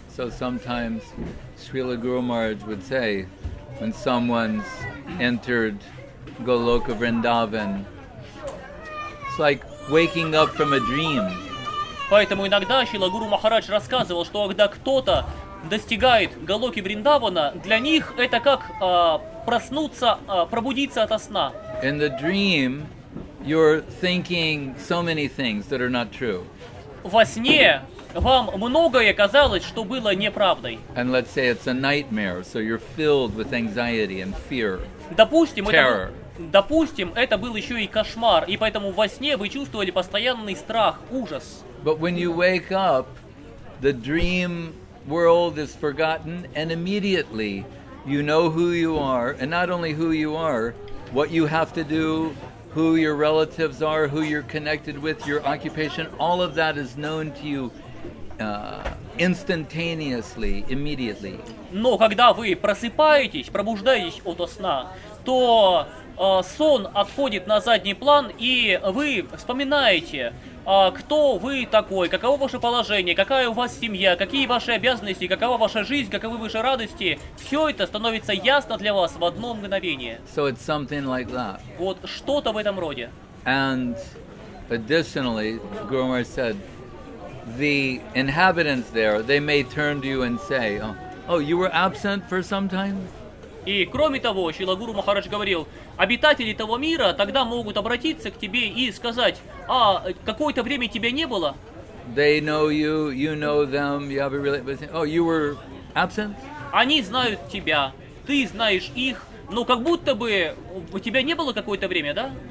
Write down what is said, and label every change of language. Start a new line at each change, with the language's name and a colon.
English: So sometimes Srila Guru Maharaj would say, when someone's entered Goloka Vrindavan, it's like waking up from a dream.
Russian: Поэтому иногда Шрила Гуру Махарадж рассказывал, что когда кто-то достигает Голоки Вриндавана, для них это как проснуться, пробудиться ото сна.
English: In the dream, you're thinking so many things that are not true.
Russian: Во сне вам многое казалось, что было неправдой.
English: And let's say it's a nightmare, so you're filled with anxiety and fear.
Russian: Допустим, это был еще и кошмар, и поэтому во сне вы чувствовали постоянный страх, ужас.
English: But when you wake up, the dream world is forgotten, and immediately you know who you are, and not only who you are, what you have to do, who your relatives are, who you're connected with, your occupation, all of that is known to you instantaneously, immediately.
Russian: Но когда вы просыпаетесь, пробуждаетесь ото сна, то сон отходит на задний план, и вы вспоминаете, кто вы такой, каково ваше положение, какая у вас семья, какие ваши обязанности, какова ваша жизнь, каковы ваши радости. Все это становится ясно для вас в одно мгновение.
English: So it's something like that.
Russian: Вот что-то в этом роде.
English: And additionally, Guru Maharaj said, the inhabitants there, they may turn to you and say, oh, you were absent for some time?
Russian: И кроме того, Шрила Гуру Махарадж говорил, обитатели того мира тогда могут обратиться к тебе и сказать, а какое-то время тебя не было?
English: They know you, you know them, you have a relationship. Oh, you were absent?
Russian: Они знают тебя, ты знаешь их, но как будто бы у тебя не было какое-то время, да?